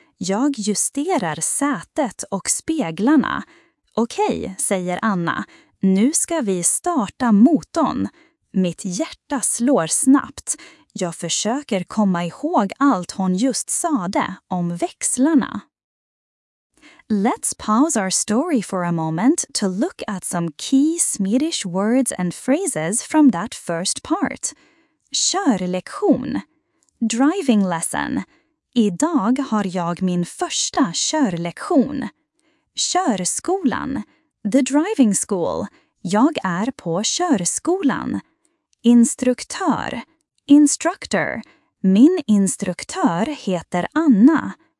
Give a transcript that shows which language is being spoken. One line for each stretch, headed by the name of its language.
Swedish: Jag justerar sätet och speglarna. Okej, säger Anna. Nu ska vi starta motorn. Mitt hjärta slår snabbt. Jag försöker komma ihåg allt hon just sade om växlarna. Let's pause our story for a moment to look at some key Swedish words and phrases from that first part.
English: Körlektion. Driving lesson.
Swedish: Idag har jag min första körlektion. Körskolan.
English: The driving school.
Swedish: Jag är på körskolan. Instruktör. Instructor. Min instruktör heter Anna.